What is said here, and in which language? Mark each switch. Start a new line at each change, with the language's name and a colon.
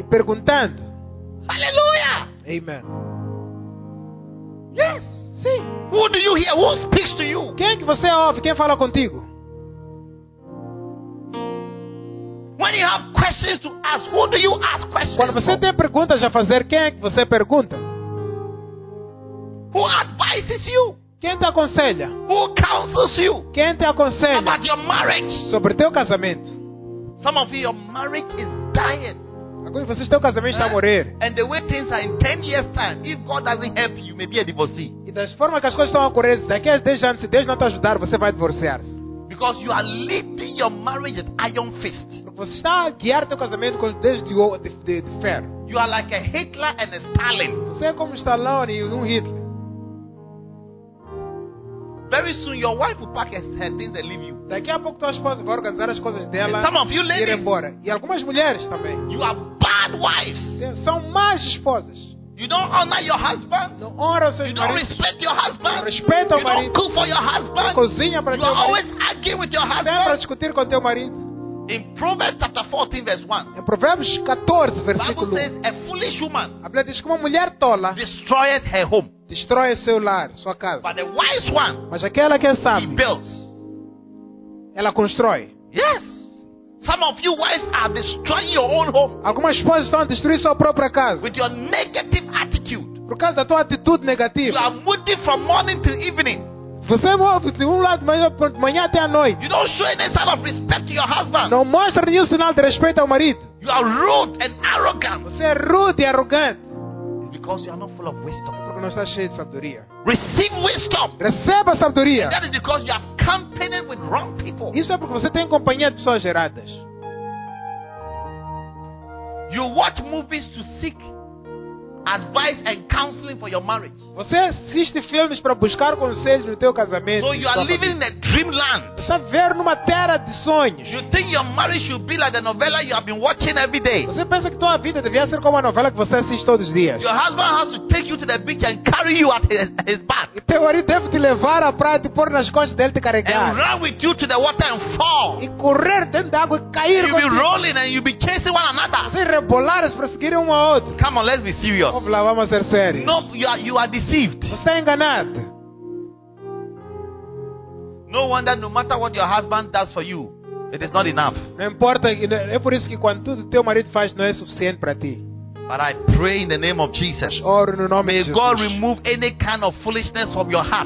Portuguese: E perguntando.
English: Hallelujah. Amen. Yes.
Portuguese: Sim.
English: Who do you hear? Who speaks to you?
Portuguese: Quem que você ouve? Quem fala contigo?
English: When you have questions to ask, who do you ask questions?
Portuguese: Quando você tem perguntas a fazer, quem é que você pergunta?
English: Who advises you?
Portuguese: Quem te aconselha?
English: Who counsels you?
Portuguese: Quem te aconselha?
English: About your marriage?
Portuguese: Sobre teu casamento?
English: Some of you, your marriage is dying.
Portuguese: Agora você está, o casamento está a morrer.
English: And the way things are in 10 years time, if God doesn't help you, maybe a divorcee.
Portuguese: E da forma que as coisas estão a correr, daqui a 10 anos, se Deus não te ajudar, você vai divorciar-se.
English: Because you are leading your marriage with iron fist.
Portuguese: Você está a guiar teu casamento com dedos de ferro.
English: You are like a Hitler and a Stalin.
Portuguese: Você é como Stallone e Hitler.
English: Very soon your wife will pack her things and leave you.
Portuguese: Daqui a pouco tua esposa vai organizar as coisas dela.
English: And some of you ladies, ir embora.
Portuguese: E algumas mulheres também.
English: You are bad wives.
Portuguese: São más esposas.
English: You don't honor your husband.
Portuguese: Não honra seus maridos.
English: You don't respect your husband.
Portuguese: Não respeita o marido.
English: You don't cook for your husband.
Portuguese: Não cozinha para teu marido.
English: You are always arguing with your husband.
Portuguese: Sempre a discutir com teu marido.
English: In Proverbs chapter 14 verse 1.
Portuguese: Em Provérbios 14 versículo 1.
English: The Bible says a foolish woman.
Portuguese: A Bíblia diz que uma mulher tola
English: destroyed her home.
Portuguese: Destrói seu lar, sua casa.
English: But the wise one,
Portuguese: mas aquela que é sábia,
English: builds.
Portuguese: Ela constrói.
English: Yes. Some of you wives are destroying your own home.
Portuguese: Algumas esposas estão a destruir sua própria casa.
English: With your negative attitude.
Portuguese: Por causa da tua atitude negativa.
English: You are moody from morning to evening.
Portuguese: Você move de um lado de manhã até a noite.
English: You don't show any sign of respect to your husband.
Portuguese: Não mostra nenhum sinal de respeito ao marido.
English: You are rude and arrogant.
Portuguese: Você é rude e arrogante.
English: It's because you are not full of wisdom.
Portuguese: Porque não está cheio de sabedoria.
English: Receive wisdom.
Portuguese: Receba sabedoria.
English: And that is because you have company with wrong people.
Portuguese: Isso é porque você tem companhia de pessoas erradas.
English: You watch movies to seek advice and counseling for your marriage.
Portuguese: Você assiste filmes para buscar conselhos no teu casamento.
English: So you are living in a dreamland.
Portuguese: Você está vivendo numa terra de sonhos.
English: You think your marriage should be like the novella you have been watching every day.
Portuguese: Você pensa que tua vida devia ser como a novela que você assiste todos os dias.
English: Your husband has to take you to the beach and carry you at his back.
Portuguese: E teu marido deve te levar à praia, te pôr nas costas dele, te carregar.
English: And run with you to the water and fall.
Portuguese: E correr dentro da água e cair.
English: You'll be rolling and you'll be chasing one another.
Portuguese: Você rebolar e perseguir um ao outro.
English: Come on, let's be serious.
Portuguese: Vamos lá, vamos ser sérios.
English: No, you are deceived.
Portuguese: Você está enganado.
English: No wonder no matter what your husband does for you, it is not enough.
Portuguese: Não importa, é por isso que quando tudo teu marido faz não é suficiente para ti.
English: But I pray in the name of Jesus.
Portuguese: Oro no nome
English: may
Portuguese: de Jesus.
English: God remove any kind of foolishness from your heart.